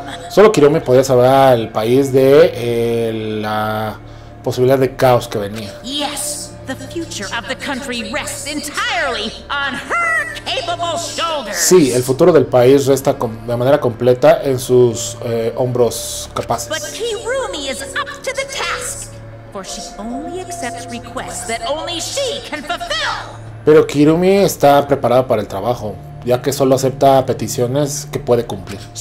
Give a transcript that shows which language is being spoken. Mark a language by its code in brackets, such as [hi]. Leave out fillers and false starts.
[es] Solo Kiromi podía salvar al país de la posibilidad de caos que venía. [en] Yes, the future of the country rests entirely on her capable shoulders. [es] Sí, el futuro del país resta de manera completa en sus hombros capaces. [en] But Kiromi is up to the task, for she only accepts requests that only she can fulfill. [es] Pero Kiromi está preparada para el trabajo, ya que solo acepta peticiones que puede cumplir.